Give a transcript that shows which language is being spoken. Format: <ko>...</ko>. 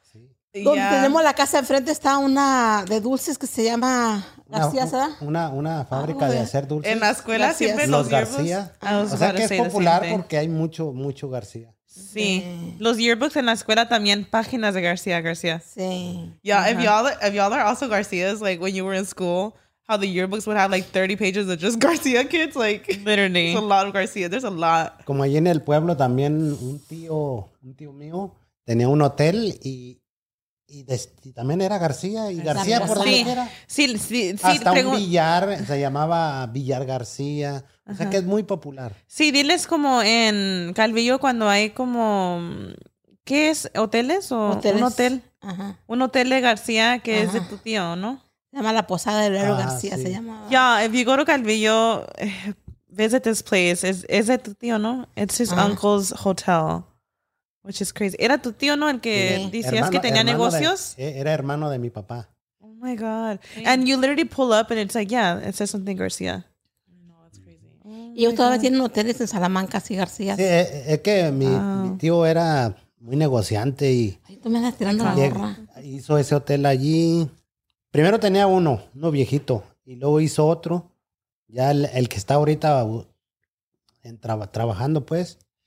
<es>Donde tenemos la casa enfrente está una de dulces que se llama García, ¿verdad? Una fábrica de hacer dulces. En la escuela García. Siempre los García. O sea que es popular porque hay mucho García. Sí. Los yearbooks en la escuela también, páginas de García. Sí.</es> <en>Yeah, if y'all are also Garcias, like when you were in school, how the yearbooks would have like 30 pages of just García kids, like literally. It's a lot of García. There's a lot.</en> <es>Como allí en el pueblo también un tío mío tenía un hotel y también era García y García por donde era. Sí. Hasta un billar se llamaba Billar García. O sea que es muy popular. Sí, diles como en Calvillo cuando hay como ¿qué es? ¿Hoteles? O hoteles. Un hotel. Ajá. Un hotel de García que es de tu tío, ¿no? Se llama la Posada del Héroe García, sí. Se llamaba.</es> <en>Yeah, if you go to Calvillo, visit this place.</en> <es>Es de tu tío, ¿no?</es> <en>It's his uncle's hotel. Which is crazy.</en> <es>¿Era tu tío, no? El que decías hermano, que tenía negocios. Era hermano de mi papá.</es> <en>Oh, my God. Sí. And you literally pull up and it's like, yeah, it says something, García. No, it's crazy. Mm.</en> <es>Y yo todavía tienen hoteles en Salamanca, así García. Sí, es que mi tío era muy negociante y... Ahí tú me andas tirando la gorra. Hizo ese hotel allí. Primero tenía uno viejito, y luego hizo otro. Ya el que está ahorita trabajando, pues.</es>